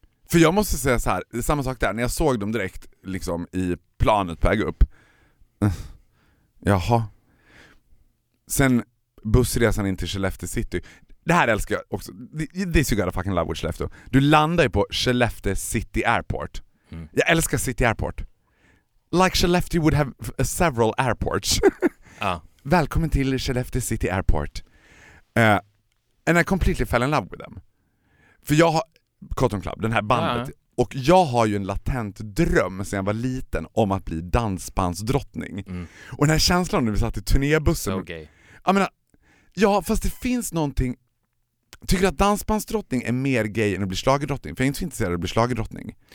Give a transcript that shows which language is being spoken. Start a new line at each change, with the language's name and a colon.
Swedish: För jag måste säga så här, samma sak där. När jag såg dem direkt liksom i planet på väg upp. Jaha. Sen bussresan in till Skellefteå City. Det här älskar jag också.
English: This you gotta fucking love with Skellefteå.
Swedish: Du landar ju på Skellefteå City Airport.
English: Mm.
Swedish: Jag älskar City Airport.
English: Like Skellefteå would have several airports.
Swedish: Välkommen till Skellefteå City Airport.
English: And I completely fell in love with them.
Swedish: För jag har Cotton Club, den här bandet. Uh-huh. Och jag har ju en latent dröm sedan jag var liten om att bli dansbandsdrottning. Mm. Och den här känslan när vi satt i turnébussen.
English: Okay.
Swedish: Jag menar, ja, fast det finns någonting. Tycker du att dansbandsdrottning är mer gay än att bli slagerdrottning? För jag är inte så intresserad av att bli slagerdrottning.